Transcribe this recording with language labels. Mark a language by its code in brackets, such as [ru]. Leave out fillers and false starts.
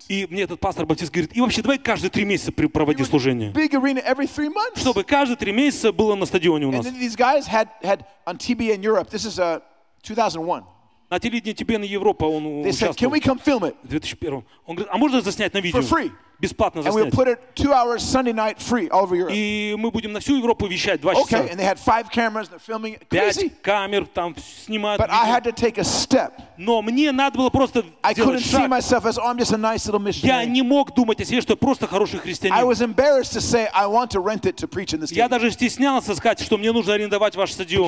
[ru] И мне этот пастор баптист говорит, и вообще давай каждые три месяца проводи служение. [en] Big arena every three months. [ru] Чтобы каждые три месяца было на стадионе у нас. [en] And then these guys had on TBN Europe. This is 2001. [ru] На телевидении TBN Европа он [en] They [ru] участвовал. [en] Said, can we come film it? [ru] 2001. Он говорит, а можно заснять на видео? [en] For free. [ru] Бесплатно заснять. [en] And we'll put it 2 hours Sunday night free all over Europe. [ru] И мы будем на всю Европу вещать 2 часа. [en] Okay, and they had 5 cameras, they're filming it. [ru] Пять [en] Crazy. [ru] Камер там снимают. [en] But [ru] видео. [en] I had to take a step. [ru] Но мне надо было просто [en] I couldn't [ru] шаг. [en] See myself as oh, I'm just a nice little missionary. [ru] Я не мог думать о себе, что я просто хороший христианин. [en] I was embarrassed to say I want to rent it to preach in the stadium. [ru] Я даже стеснялся сказать, что мне нужно арендовать ваш стадион.